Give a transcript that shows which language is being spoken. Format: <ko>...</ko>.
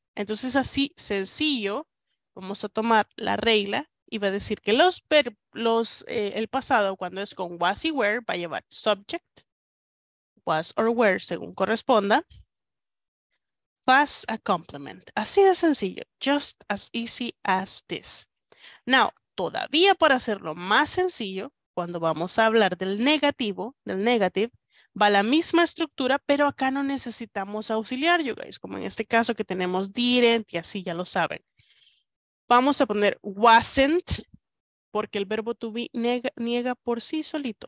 <es>Entonces, así sencillo, vamos a tomar la regla. Y va a decir que el pasado, cuando es con was y were, va a llevar subject, was or were, según corresponda, plus a complement. Así de sencillo,</es> <en>just as easy as this.</en> <es>Now, todavía para hacerlo más sencillo, cuando vamos a hablar del negative, va la misma estructura, pero acá no necesitamos auxiliar,</es> <en>you guys,</en> <es>como en este caso que tenemos didn't y así ya lo saben. Vamos a poner wasn't, porque el verbo to be niega por sí solito.</es>